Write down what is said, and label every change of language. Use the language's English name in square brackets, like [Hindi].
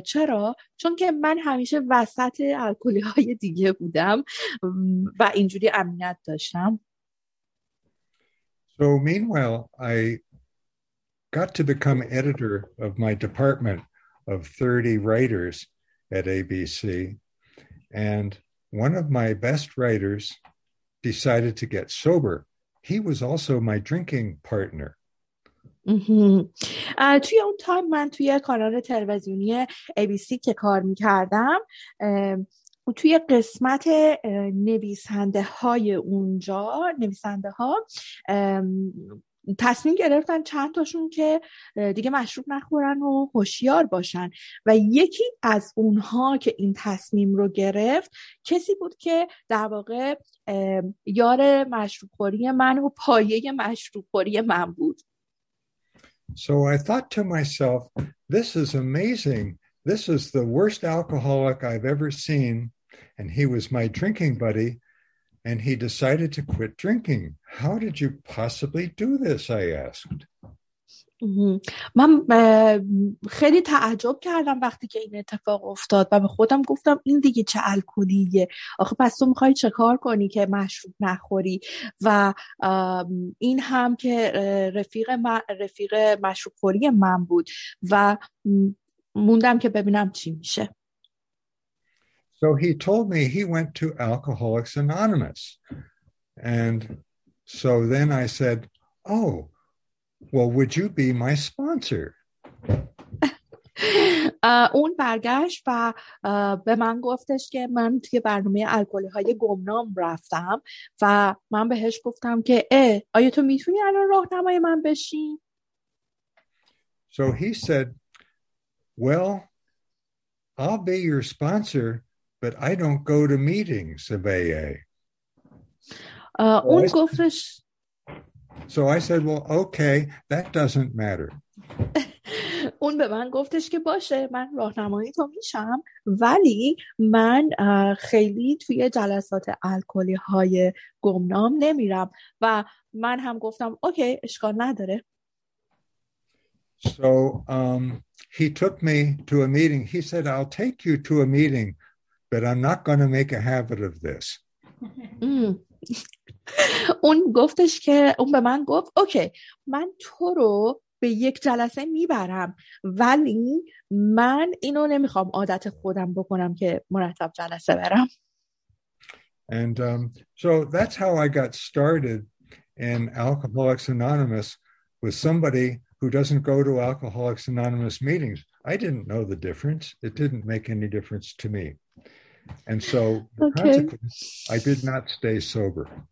[Persian] چرا؟ چون که من همیشه وسط الکلی های دیگه بودم و اینجوری امنیت داشتم. [English] So meanwhile, I got to become editor of my department of 30 writers at ABC, and one of my best writers decided to get sober. He was also my drinking partner. [Persian] توی اون تایم من توی کانال تلویزیونی ABC که کار میکردم، توی قسمت نویسنده های اونجا، نویسنده ها تصمیم گرفتن چند تاشون که دیگه مشروب نخورن و هوشیار باشن و یکی از اونها که این تصمیم رو گرفت کسی بود که در واقع یار مشروب خوری من و پایه مشروب خوری من بود. [English] So I thought to myself, this is amazing. This is the worst alcoholic I've ever seen. And he was my drinking buddy. And he decided to quit drinking. How did you possibly do this? I asked. [Persian] من خیلی تعجب کردم وقتی که این اتفاق افتاد و به خودم گفتم این دیگه چه الکلیه، آخه پس تو میخوای چه کار کنی که مشروب نخوری؟ و این هم که رفیق مشروب خوری من بود و موندم که ببینم چی میشه. [English] So he told me he went to Alcoholics Anonymous. And so then I said, oh, well, would you be my sponsor? [Persian] اون برگشت و به من گفتش که من توی برنامه الکلی‌های گمنام رفتم و من بهش گفتم که آیا تو میتونی الان راهنمای من بشی؟ [English] So he said, well, I'll be your sponsor, but I don't go to meetings of AA. [Persian] اون گفتش [English] So I said, well, okay, that doesn't matter. [Persian] اون به من گفتش که باشه من راهنمایی تو میشم ولی من خیلی توی جلسات الکلی های گمنام نمیرم و من هم گفتم اوکی اشکال نداره. [English] So he took me to a meeting. He said, I'll take you to a meeting, but I'm not going to make a habit of this. [Persian] اون گفتش که اون به من گفت اوکی من تو رو به یک جلسه میبرم ولی من اینو نمیخوام عادت خودم بکنم که مرتب جلسه برم. [English] And so that's how I got started in Alcoholics Anonymous with somebody who doesn't go to Alcoholics Anonymous meetings. I didn't know the difference. It didn't make any difference to me. And so the consequence, I did not stay sober.